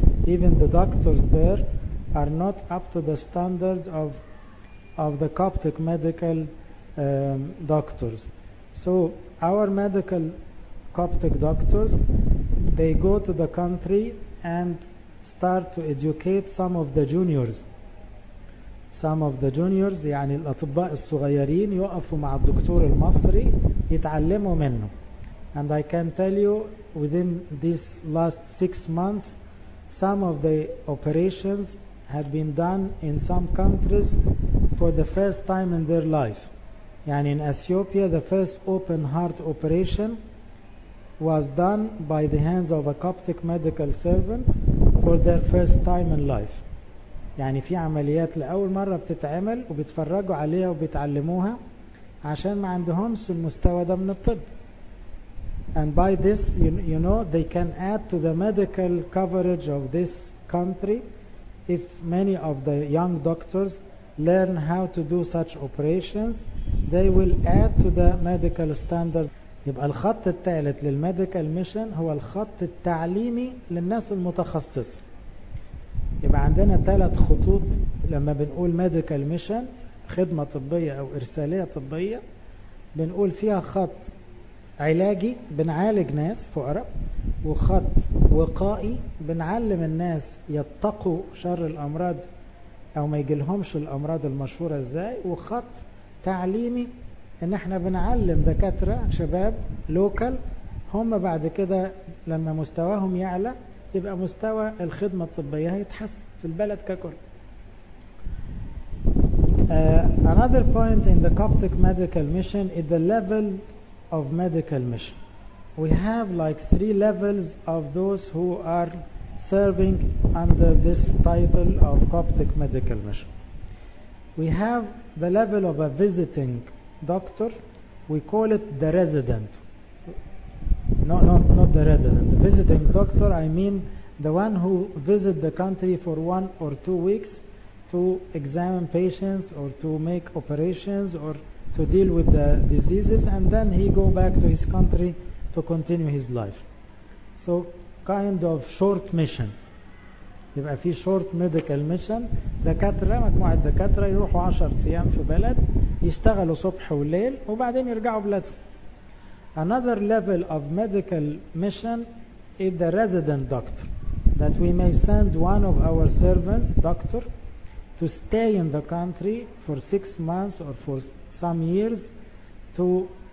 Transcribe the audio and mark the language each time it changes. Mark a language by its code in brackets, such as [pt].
[en] Even the doctors there are not up to the standard of the Coptic medical doctors. So our medical Coptic doctors, they go to the country and start to educate some of the juniors. Some of the juniors, [ar] يعني الأطباء الصغيرين يقفوا مع الدكتور المصري يتعلموا منه. [en] And I can tell you, within these last 6 months, some of the operations have been done in some countries for the first time in their life. [ar] يعني [en] in Ethiopia, the first open heart operation was done by the hands of a Coptic medical servant for their first time in life. [ar] يعني في عمليات لأول مرة بتتعمل وبيتفرجوا عليها وبيتعلموها عشان ما عندهمش المستوى ده من الطب. [en] And by this, you know, they can add to the medical coverage of this country if many of the young doctors learn how to do such operations, they will add to the medical standard. [ar] يبقى الخط الثالث للميديكال ميشن هو الخط التعليمي للناس المتخصصة. يبقى عندنا ثلاث خطوط لما بنقول [en] medical mission, [ar] خدمة طبية أو إرسالية طبية. بنقول فيها خط علاجي بنعالج ناس فقراء, وخط وقائي بنعلم الناس يتقوا شر الأمراض أو ما يجيلهمش الأمراض المشهورة إزاي, وخط تعليمي إن احنا بنعلم دكاترة شباب local هم بعد كده لما مستواهم يعلى يبقى مستوى الخدمة الطبية هيتحسن في البلد ككل. [en] Another point in the Coptic medical mission is the level of medical mission. We have like three levels of those who are serving under this title of Coptic medical mission. We have the level of a visiting doctor. We call it the resident. Not the resident. The visiting doctor, I mean the one who visit the country for 1 or 2 weeks to examine patients or to make operations or to deal with the diseases, and then he go back to his country to continue his life. So kind of short mission. [ar] يبقى في [en] short medical mission. [ar] دكاترة, مجموعة دكاترة يروحوا 10 أيام في بلد يشتغلوا صبح وليل وبعدين يرجعوا بلدهم. [en] Another level of medical mission is the resident doctor, that we may send one of our servants, doctor, to stay in the country for 6 months or for some years to